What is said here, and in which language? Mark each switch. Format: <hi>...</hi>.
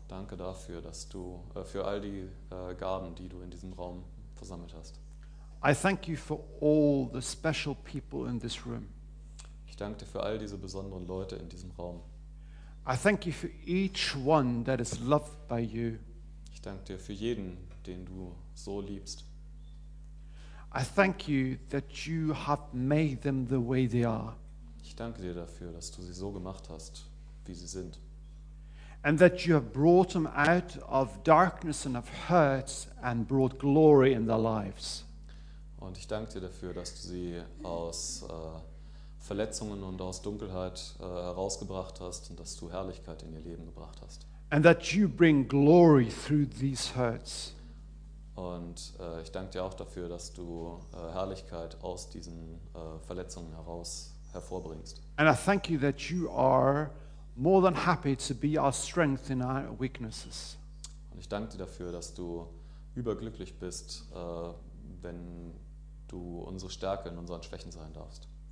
<de>Danke dafür, dass du für all die Gaben, die du in diesem Raum versammelt hast.</de> <en>I thank you for all the special people in this room.</en> <de>Ich danke dir für all diese besonderen Leute in diesem Raum.</de> <en>I thank you for each one that is loved by you.</en> <de>Ich danke dir für jeden, den du so liebst.</de> <en>I thank you that you have made them the way they are.</en> <de>Ich danke dir dafür, dass du sie so gemacht hast, wie sie sind.</de> <en>And that you have brought them out of darkness and of hurt and brought glory in their lives.</en> <de>Und ich danke dir dafür, dass du sie aus Verletzungen und aus Dunkelheit herausgebracht hast und dass du Herrlichkeit in ihr Leben gebracht hast.</de> <en>And that you bring glory through these hurts.</en> <de>Und ich danke dir auch dafür, dass du Herrlichkeit aus diesen Verletzungen heraus hervorbringst.</de> <en>And I thank you that you are more than happy to be our strength in our weaknesses.</en> <de>Und ich danke dir dafür, dass du überglücklich bist, wenn du unsere Stärke in unseren Schwächen sein darfst.</de>